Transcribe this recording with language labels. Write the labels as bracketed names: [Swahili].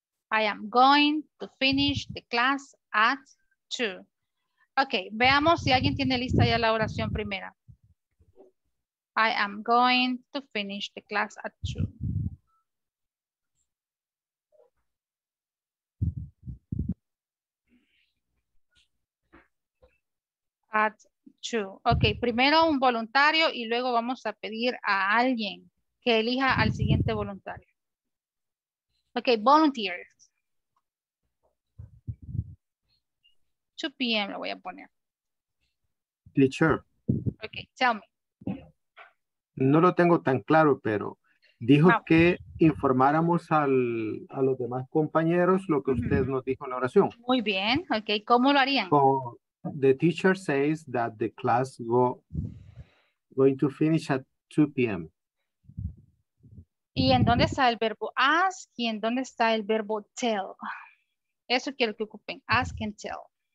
[English] I am going to finish the class at 2. [Spanish] Ok, veamos si alguien tiene lista ya la oración primera. [English] I am going to finish the class at 2. At 2. [Spanish] Ok, primero un voluntario y luego vamos a pedir a alguien que elija al siguiente voluntario. [English] Ok, volunteers. [Spanish] 2 p.m. lo voy a poner. [English] Teacher. Ok, tell me. [Spanish] No lo tengo tan claro, pero dijo que informáramos a los demás compañeros lo que usted nos dijo en la oración. Muy bien, ok. ¿Cómo lo harían? [English] The teacher says that the class going to finish at 2 p.m. [Spanish] ¿Y en dónde está el verbo ask y en dónde está el verbo tell? Eso quiero que ocupen, ask and tell.